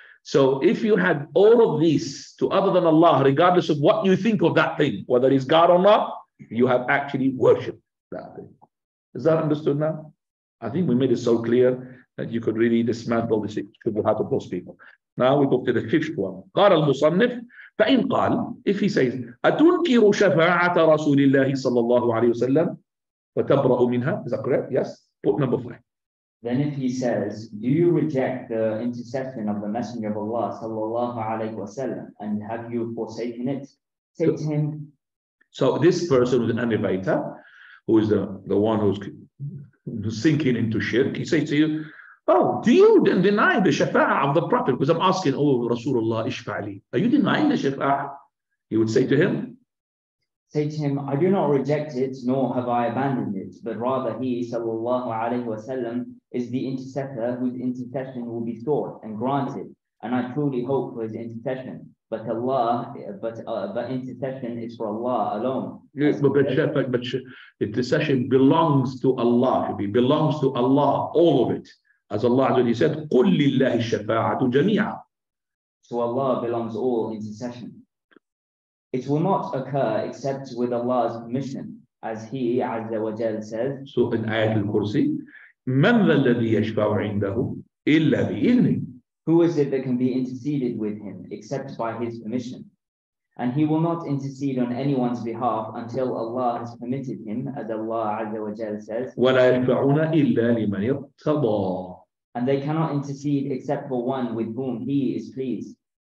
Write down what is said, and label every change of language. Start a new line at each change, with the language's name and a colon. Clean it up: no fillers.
English: So if you had all of these to other than Allah, regardless of what you think of that thing, whether it's God or not, you have actually worshipped that thing. Is that understood now? I think we made it so clear that you could really dismantle the Ash-Shubuhaat of those people. Now we go to the fifth one.
Arabic: قال المصنف فإن قال,
English: if he says,
Arabic: أتنكر شفاعة رسول الله صلى الله عليه وسلم وتبرأ منها,
English: is that correct? Yes. Put number five. Then if he says, do you reject the intercession of the Messenger of Allah صلى الله عليه وسلم and have you forsaken it? Say to him. So this person is an innovator, who is the one who's sinking into shirk. He says to you, oh, do you then deny the shafa'ah of the Prophet? Because I'm asking, oh, Rasulullah, ishfa'ali. Are you denying the shafa'ah? He would say to him? Say to him, I do not reject it, nor have I abandoned it, but rather he, sallallahu alayhi wa sallam, is the intercessor whose intercession will be sought and granted, and I truly hope for his intercession. But Allah, but intercession is for Allah alone. Yes, but intercession belongs to Allah. It belongs to Allah, all of it. As Allah said,
Arabic: قُلْ لِلَّهِ الشَّفَاعَةُ جَمِيعًا.
English: To Allah belongs all intercession. It will not occur except with Allah's permission, as He, Azza wa Jal, says. So in Ayat al-Kursi,
Arabic: مَنْ ذَا الَّذِي يَشْفَعُ عِنْدَهُ إِلَّا بِإِذْنِهِ.
English: Who is it that can be interceded with him except by his permission? And he will not intercede on anyone's behalf until Allah has permitted him, as Allah Azza wa Jal says.
Arabic: وَلَا يَشْفَعُونَ إِلَّا لِمَنِ ارْتَضَى.
English: And they cannot intercede except for one with whom he is pleased.